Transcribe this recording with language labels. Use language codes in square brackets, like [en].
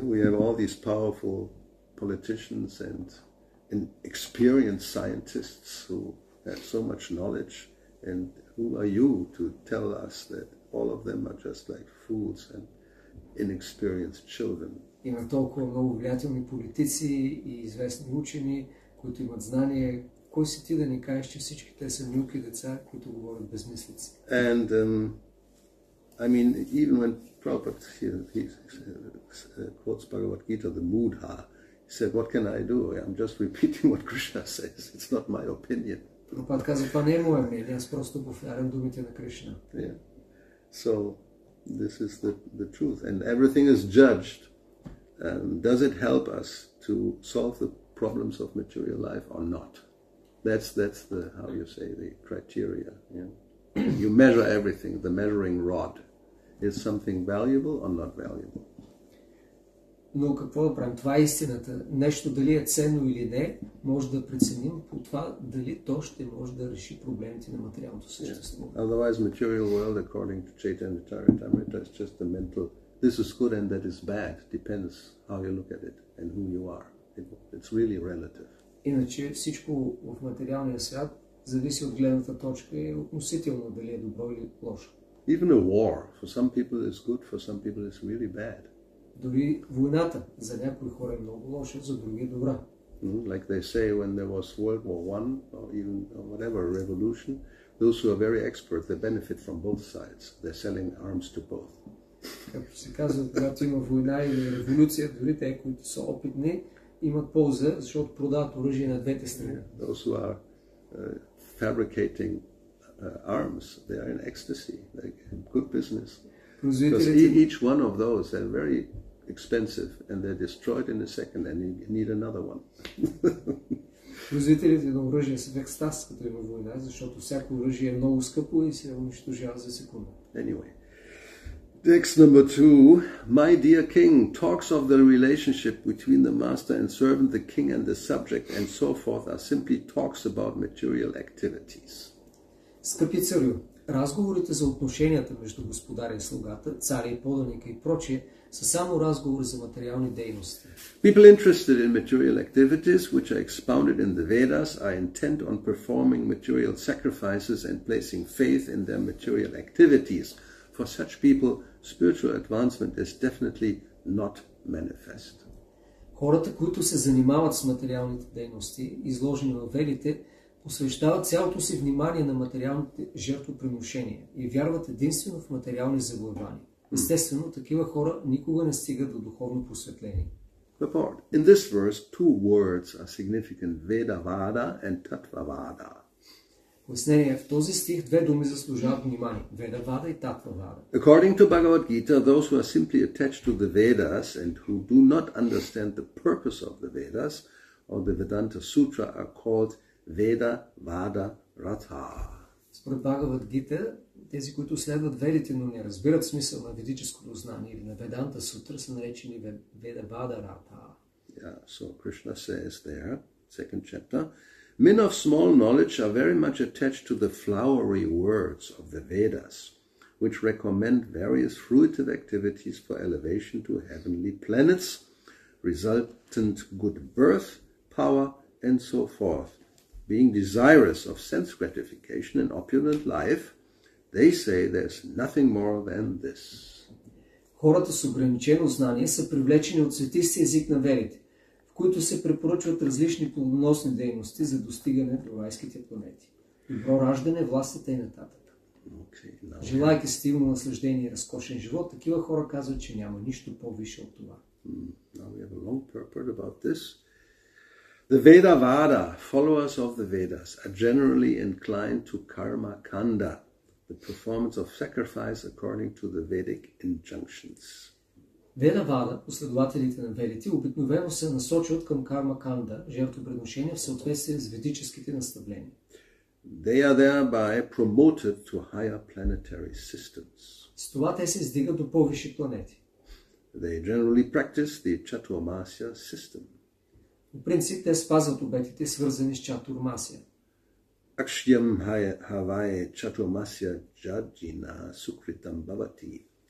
[en] we have all these powerful politicians and experienced scientists who have so much knowledge. And who are you to tell us that all of them are just like fools and inexperienced children? [bg] Има толкова много влиятелни политици и известни учени, които имат знания. Кой си ти да ни кажеш, че всички те са нюки деца, които говорят безмислици? [en] And I mean, even when Prabhupada quotes Bhagavad Gita, the mudha, he said, "What can I do? I'm just repeating what Krishna says. It's not my opinion." [bg] Prabhupada казва, това не е мое мнение, аз просто повтарям думите на Кришна. [en] Yeah. So this is the truth, and everything is judged. Does it help us to solve the problems of material life or not? That's the, how you say, the criteria. Yeah? You measure everything, the measuring rod. Is something valuable or not valuable? [bg] Но какво да правим? Това е истината. Нещо дали е ценно или не, може да преценим по това дали то ще може да реши проблемите на материалното съществуване. [en] Yeah. Otherwise, material world, according to Chaitanya Charitamrita, is just the mental, this is good and that is bad. Depends how you look at it and who you are. It's really relative. [bg] Иначе всичко в материалния свят зависи от гледната точка и относително дали е добро или лошо. [en] Even a war for some people is good, for some people is really bad. [bg] Дори войната за някои хора е много лоша, за други е добра. [en] Like they say when there was World War I or even or whatever revolution, those who are very expert, they benefit from both sides. They're selling arms to both. [bg] Както се казва, когато има война или революция, дори те, които са опитни, имат полза, защото продават оръжие на двете страни. [en] Yeah, those who are fabricating arms, they are in ecstasy, like good business. Because each one of those are very expensive and they're destroyed in a second and you need another one. [bg] Производителите на оръжие са в екстаз, като има война, защото всяко оръжие е много скъпо и се унищожава за секунда. [en] Anyway. Text number 2. My dear king talks of the relationship between the master and servant, the king and the subject, and so forth are simply talks about material activities. [bg] Скъпи царю, разговорите за отношенията между господаря и слугата, царя и поданика и прочие са само разговори за материални дейности. [en] People interested in material activities, which are expounded in the Vedas, are intent on performing material sacrifices and placing faith in their material activities. For such people, spiritual advancement is definitely not manifest. [bg] Хората, които се занимават с материалните дейности, изложени във ведите, посвещават цялото си внимание на материалните жертвоприношения и вярват единствено в материални заглавания. Естествено, такива хора никога не стигат до духовно просветление. [en] the part. In this verse, two words are significant, Vedavada and Tattvavada. [bg] В този стих две думи заслужават внимание, Vedavada и Tattvavada. [en] According to Bhagavad Gita, those who are simply attached to the Vedas and who do not understand the purpose of the Vedas or the Vedanta Sutra are called Vedavada Ratha. [bg] Според Bhagavad Gita, тези, които следват ведите, но не разбират смисъл на ведическото знание или на Веданта сутра, са наречени Vedavada Ratha. [en] Yeah, so Krishna says there, second chapter, men of small knowledge are very much attached to the flowery words of the Vedas, which recommend various fruitive activities for elevation to heavenly planets, resultant good birth, power, and so forth. Being desirous of sense gratification and opulent life, they say there's nothing more than this. [bg] Хората с ограничено знание са привлечени от светистия език на ведите, в които се препоръчват различни плодоносни дейности за достигане до райските планети. Добро раждане, властта и нататък. Желайки стимул, наслаждение и разкошен живот, такива хора казват, че няма нищо по-висше от това. [en] Now we have a long purport about this. The Vedavada, followers of the Vedas, are generally inclined to karma kanda, the performance of sacrifice according to the Vedic injunctions. [bg] Vedavada, последователите на ведите, обикновено се насочват към карма канда, жертвоприношения в съответствие с ведическите наставления. [en] They are thereby promoted to higher planetary systems. [bg] С това те се издигат до по-висши планети. [en] They generally practice the Chaturmasya system. [bg] По принцип, те спазват обетите, свързани с Чатурмасия. [sa] Акшьям хавае Чатурмасия джаджина сукритам бавати.